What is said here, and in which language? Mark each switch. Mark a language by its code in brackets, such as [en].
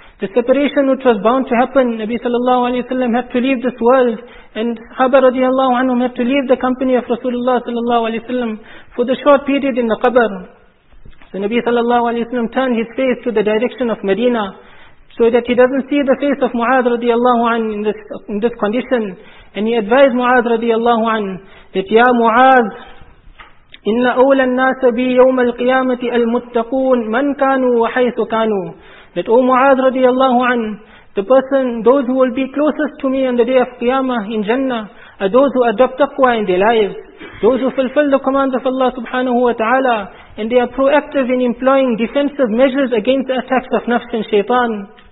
[en] The separation which was bound to happen, Nabi sallallahu alayhi wa sallam had to leave this world, and sahaba radiallahu anhum had to leave the company of Rasulullah sallallahu alayhi wa sallam for the short period in the qabr. So Nabi sallallahu alayhi wa sallam turned his face to the direction of Medina, so that he doesn't see the face of Mu'adh radiallahu anhu in this condition. And he advised Mu'adh radiallahu anhu that, Ya Mu'adh, [ar] إِنَّ أَوْلَى النَّاسَ بِي يَوْمَ الْقِيَامَةِ أَلْمُتَّقُونَ مَنْ كَانُوا وَحَيْثُ كَانُوا. [en] That O Mu'adh radiallahu anhu, the person, those who will be closest to me on the day of Qiyamah in Jannah, are those who adopt taqwa in their lives, those who fulfill the commands of Allah subhanahu wa ta'ala, and they are proactive in employing defensive measures against the attacks of nafs and shaitan.